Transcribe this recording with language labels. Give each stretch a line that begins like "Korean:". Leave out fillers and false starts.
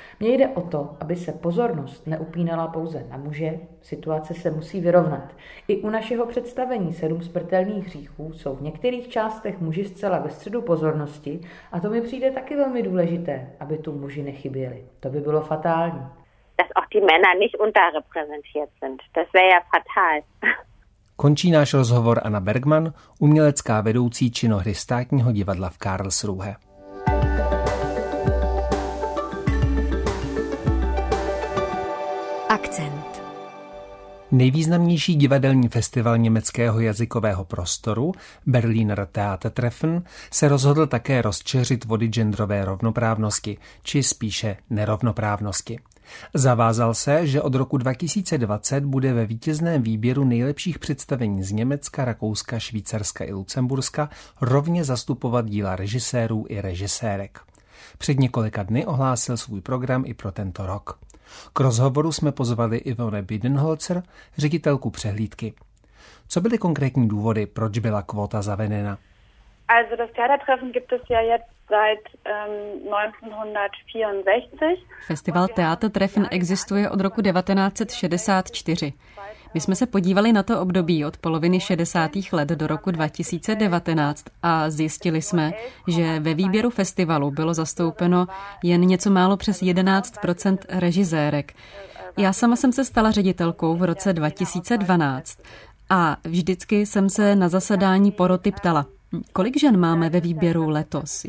Czech: Mně jde o to, aby se pozornost neupínala pouze na muže, situace se musí vyrovnat. I u našeho představení Sedm smrtelných hříchů jsou v některých částech muži zcela ve středu pozornosti a to mi přijde taky velmi důležité, aby tu muži nechyběli. To by bylo fatální.
German: Dass auch die Männer nicht unterrepräsentiert sind. Das wäre ja fatal.
Czech: Končí náš rozhovor Anna Bergmann, umělecká vedoucí činohry Státního divadla v Karlsruhe. Akcent. Nejvýznamnější divadelní festival německého jazykového prostoru, Berliner Theatertreffen, se rozhodl také rozčeřit vody genderové rovnoprávnosti, či spíše nerovnoprávnosti. Zavázal se, že od roku 2020 bude ve vítězném výběru nejlepších představení z Německa, Rakouska, Švýcarska i Lucemburska rovně zastupovat díla režisérů i režisérek. Před několika dny ohlásil svůj program i pro tento rok. K rozhovoru jsme pozvali Ivone Bidenholzer, ředitelku přehlídky. Co byly konkrétní důvody, proč byla kvóta zavedena?
German: Also das Theatertreffen gibt es ja jetzt seit 1964.
Czech: Festival Theatertreffen existuje od roku 1964. My jsme se podívali na to období od poloviny 60. let do roku 2019 a zjistili jsme, že ve výběru festivalu bylo zastoupeno jen něco málo přes 11% režisérek. Já sama jsem se stala ředitelkou v roce 2012 a vždycky jsem se na zasedání poroty ptala, kolik žen máme ve výběru letos?